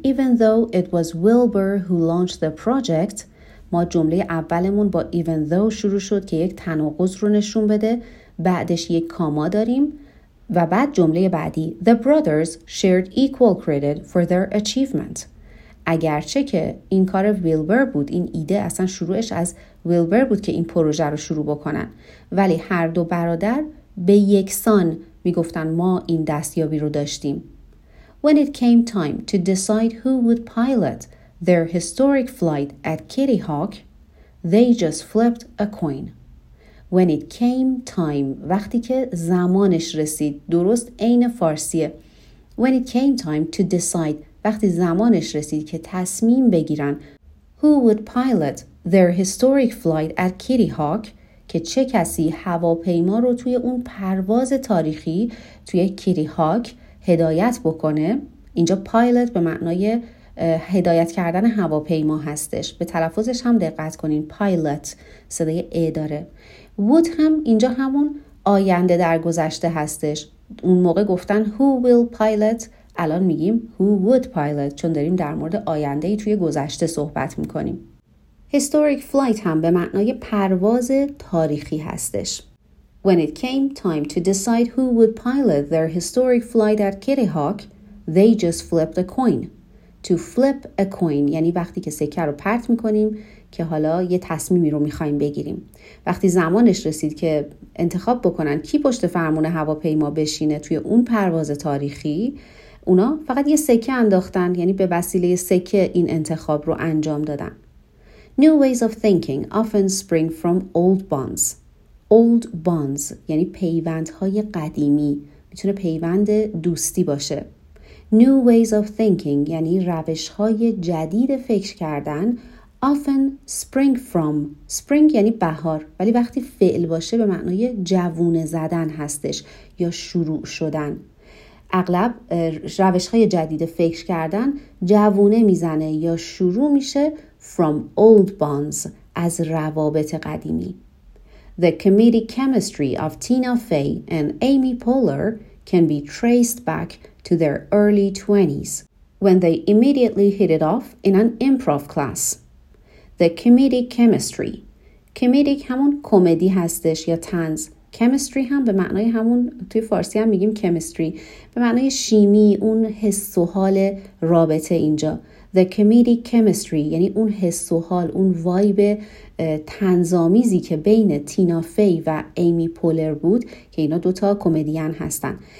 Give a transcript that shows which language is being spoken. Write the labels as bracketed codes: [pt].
[en] Even though it was Wilbur who launched the project، [fa] ما جمله اولمون با [en] even though [fa] شروع شد که یک تناقض رو نشون بده، بعدش یک کاما داریم و بعد جمله بعدی [en] The brothers shared equal credit for their achievement. [fa] اگرچه که این کار ویلبر بود، این ایده اصلا شروعش از ویلبر بود که این پروژه رو شروع بکنن، ولی هر دو برادر به یکسان میگفتن ما این دستیابی رو داشتیم. [en] When it came time to decide who would pilot their historic flight at Kitty Hawk, they just flipped a coin. When it came time، [fa] وقتی که زمانش رسید، درست عین فارسیه. [en] When it came time to decide، [fa] وقتی زمانش رسید که تصمیم بگیرن [en] who would pilot their historic flight at Kitty Hawk، [fa] که چه کسی هواپیما رو توی اون پرواز تاریخی توی کیتی هاک هدایت بکنه. اینجا پایلوت به معنای هدایت کردن هواپیما هستش، به تلفظش هم دقت کنین، پایلوت صدای ای داره. would هم اینجا همون آینده در گذشته هستش، اون موقع گفتن [en] who will pilot، [fa] الان میگیم [en] who would pilot، [fa] چون داریم در مورد آینده ای توی گذشته صحبت میکنیم. [en] historic flight [fa] هم به معنای پرواز تاریخی هستش. [en] when it came time to decide who would pilot their historic flight at Kitty Hawk, they just flipped a coin. to flip a coin [fa] یعنی وقتی که سکه رو پرت میکنیم که حالا یه تصمیمی رو میخواییم بگیریم. وقتی زمانش رسید که انتخاب بکنن کی پشت فرمون هواپیما بشینه توی اون پرواز تاریخی، اونا فقط یه سکه انداختن، یعنی به وسیله سکه این انتخاب رو انجام دادن. [en] New ways of thinking often spring from old bonds. Old bonds [fa] یعنی پیوندهای قدیمی، میتونه پیوند دوستی باشه. [en] New ways of thinking [fa] یعنی روشهای جدید فکر کردن [en] often spring from. [fa] spring یعنی بهار، ولی وقتی فعل باشه به معنای جوونه زدن هستش یا شروع شدن. اغلب روشهای جدید فکر کردن جوونه میزنه یا شروع میشه [en] from old bonds، [fa] از روابط قدیمی. [en] The comedic chemistry of Tina Fey and Amy Poehler can be traced back to their early 20s when they immediately hit it off in an improv class. The comedic chemistry. [fa] comedic همون کمدی هستش یا طنز. chemistry هم به معنای همون، توی فارسی هم میگیم chemistry، به معنای شیمی، اون حس و حال رابطه اینجا. [en] The comedic chemistry [fa] یعنی اون حس و حال، اون وایب طنزآمیزی که بین تینا فی و ایمی پولر بود، که اینا دوتا کمدین هستن.